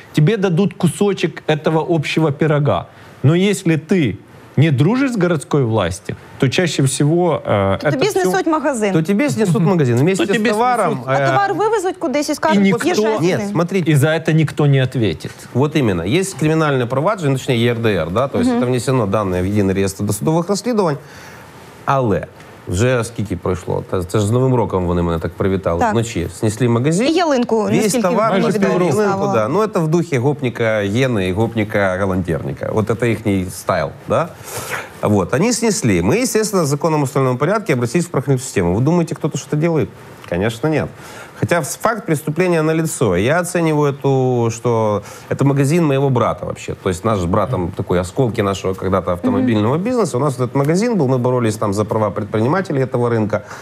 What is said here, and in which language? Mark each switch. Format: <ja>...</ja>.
<ru>Тебе дадут кусочек этого общего пирога. Но если ты не дружишь с городской властью, то чаще всего... То тебе снесут магазин. То тебе снесут магазин вместе с товаром. А товар вывезут куда-то и скажут, езжайте. Нет, смотрите. И за это никто не ответит. Вот именно. Есть криминальное провадження, точнее, ЕРДР, да, то есть это внесено данные в Единый реестр досудовых расследований.</ru> <uk>Але вже скільки пройшло? Це ж з Новим роком вони мене так привітали. Так. Вночі снесли магазин. І ялинку. Весь товар ми відвідали. Да. Ну, це в духі гопника Єни і гопника Галантерника. От це їхній стайл. Да?</uk> <ru>Вот. Они снесли. Мы, естественно, в законном установленном порядке обратились в правоохранительную систему. Вы думаете, кто-то что-то делает? Конечно, нет. Хотя факт преступления налицо. Я оцениваю то, что это магазин моего брата вообще. То есть наш с братом такой осколки нашего когда-то автомобильного бизнеса. У нас вот этот магазин был, мы боролись там за права предпринимателей этого рынка.</ru>